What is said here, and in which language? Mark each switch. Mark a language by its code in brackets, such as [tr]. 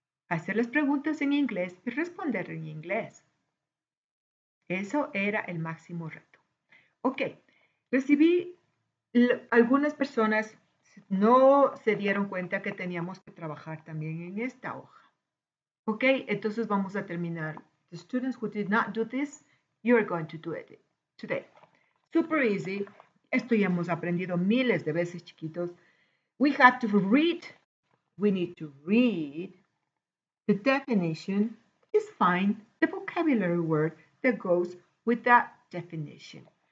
[es] Hacer las preguntas en inglés y responder en inglés. Eso era el máximo reto. Ok, recibí algunas personas no se dieron cuenta que teníamos que trabajar también en esta hoja. Ok, entonces vamos a terminar. [en] The students who did not do this, you are going to do it today. Super easy. [es] Esto ya hemos aprendido miles de veces, chiquitos. [en] We have to read. We need to read. The definition is find the vocabulary word that goes with that definition.